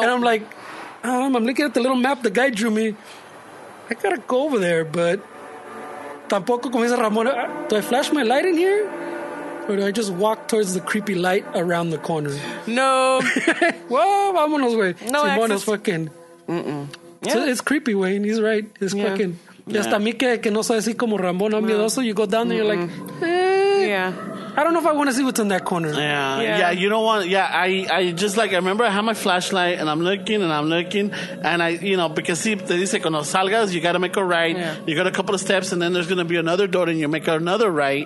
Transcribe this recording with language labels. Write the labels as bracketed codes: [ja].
[en] And I'm like, I'm looking at the little map the guy drew me. I gotta go over there, but [es] tampoco, como dice Ramona, [en] do I flash my light in here? Or do I just walk towards the creepy light around the corner? No. [es] Whoa, vámonos, güey. [en] No Simone access. Simone is fucking... Mm-mm. Yeah. So it's creepy, güey, and he's right. It's yeah. fucking... [es] Yeah. Y hasta a mí que no soy así como Ramón, no. miedoso. [en] You go down mm-hmm. and you're like, eh. Yeah. I don't know if I want to see what's in that corner. Yeah. Yeah. yeah you don't want... Yeah, I just like... I remember I had my flashlight and I'm looking. And I, you know, because see, [es] te dice, cuando salgas, [en] you got to make a right. Yeah. You got a couple of steps and then there's going to be another door and you make another right.